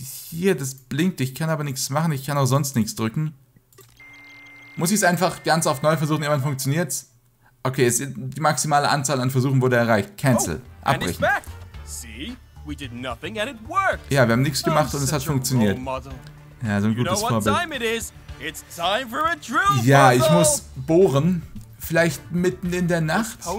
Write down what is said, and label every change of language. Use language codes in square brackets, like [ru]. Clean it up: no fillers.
[de] Hier, das blinkt, ich kann aber nichts machen, ich kann auch sonst nichts drücken. Muss ich es einfach ganz auf neu versuchen, irgendwann funktioniert's? Okay, die maximale Anzahl an Versuchen wurde erreicht. [en] Cancel. [de] Oh, abbrechen. [en] See, we did nothing and it worked. [de] Ja, wir haben nichts gemacht und es hat funktioniert. Ja, so ein gutes Vorbild. [en] It's time for a drill, [de] ja, ich muss bohren. Vielleicht mitten in der Nacht?